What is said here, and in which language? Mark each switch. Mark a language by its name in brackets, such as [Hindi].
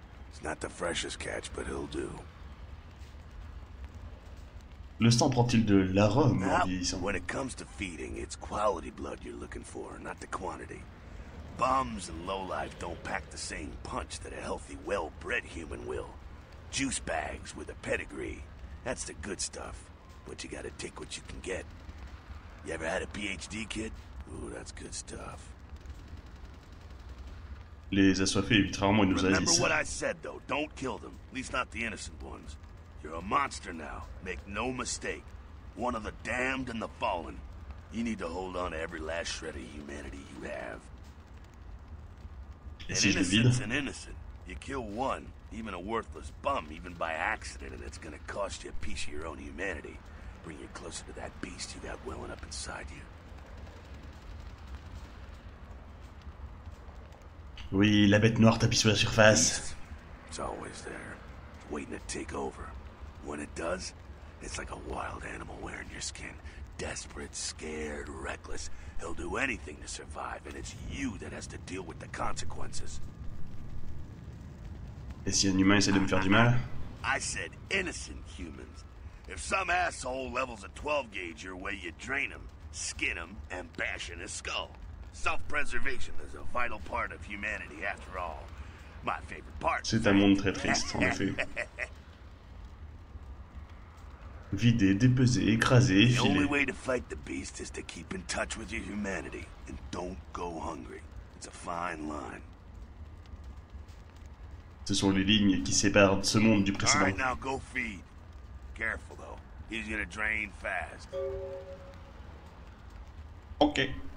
[English] It's not the freshest catch, but he'll do. [French] Le sang prend-il de l'arôme en vieillissant? [English] When it comes to feeding, it's quality blood you're looking for, not the quantity. Bums and lowlife don't pack the same punch that a healthy, well-bred human will. Juice bags with a pedigree, that's the good stuff. But you gotta take what you can get. You ever had a PhD, kid? Ooh, that's good stuff. [French] Les assoiffés évitent rarement une oasis. [English] Remember what I said, though. Don't kill them. At least not the innocent ones. You're a monster now. Make no mistake. One of the damned and the fallen. You need to hold on to every last shred of humanity you have. [French] Et si je le vide? [English] An innocent's an innocent. You kill one, even a worthless bum, even by accident, and it's gonna cost you a piece of your own humanity. Bring you closer to that beast you got welling up inside you. [French] Oui, la bête noire tapit sur la surface. [English] It's always there, waiting to take over. When it does, it's like a wild animal wearing your skin. Desperate, scared, reckless. He'll do anything to survive, and it's you that has to deal with the consequences. [French] Et si un humain essaie de me faire du mal? [English] I said innocent humans. If some asshole levels a 12 gauge your way, you drain him, skin him, and bash in his skull. Self-preservation is a vital part of humanity, after all. My favorite part. [French] C'est un monde très triste, en effet. Vidé, dépesé, écrasé, filé. [English] The only way to fight the beast is to keep in touch with your humanity and don't go hungry. It's a fine line. [French] Ce sont les lignes qui séparent ce monde du précédent. [English] All right, now go feed. Careful though, he's gonna drain fast. Ok.